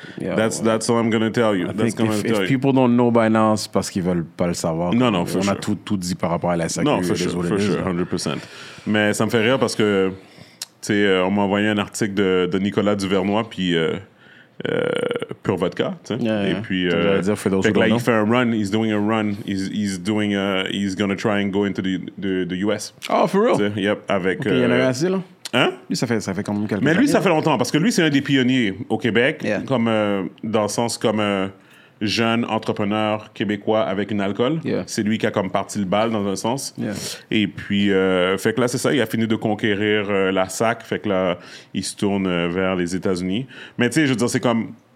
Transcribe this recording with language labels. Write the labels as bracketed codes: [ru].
[en] Yeah, that's what I'm gonna tell you. If people don't know by now, [fr] c'est parce qu'ils veulent pas le savoir. Non, non, for [en] on sure. [fr] a tout dit par rapport à la SAQ. [en] Non, for sure, 100%. [fr] Mais ça me fait rire parce que, tu sais, on m'a envoyé un article de Nicolas Duvernois, puis Pure Vodka, tu sais. [en] Yeah, [fr] et puis, il fait un run, [en] he's doing a run, he's gonna try and go into the US. Oh, for real? [fr] T'sais? Yep, avec. Okay, il y en a assez, là. Hein? Lui, ça fait quand même quelques Mais lui, ça fait longtemps, parce que lui, c'est un des pionniers au Québec, [en] yeah. [fr] comme, dans le sens comme jeune entrepreneur québécois avec une alcool. Yeah. C'est lui qui a comme parti le bal dans un sens. Yeah. Et puis, fait que là, c'est ça, il a fini de conquérir la SAC, fait que là, il se tourne vers les États-Unis. Mais tu sais, je veux dire, c'est comme...